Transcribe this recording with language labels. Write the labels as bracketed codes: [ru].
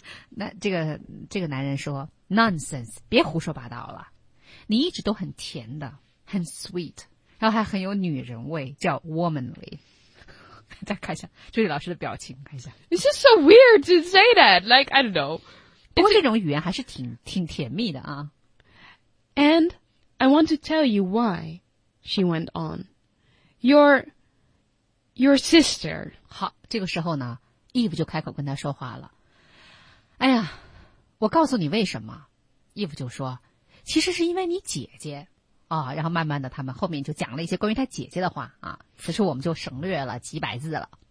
[zh] 那这个男人说 ,Nonsense, 别胡说八道了。你一直都很甜的，很 sweet， 然后还很有女人味，叫 womanly。再看一下朱莉老师的表情，看一下。 [en] It's just so weird to say that. Like I don't know. [zh] 不过这种语言还是挺甜蜜的啊。 [en] And I want to tell you why, she went on. Your sister. [zh] 好，这个时候呢 ，Eve 就开口跟他说话了。哎呀，我告诉你为什么 ，Eve 就说。其实是因为你姐姐啊、哦，然后慢慢的，他们后面就讲了一些关于他姐姐的话啊。此处我们就省略了几百字了。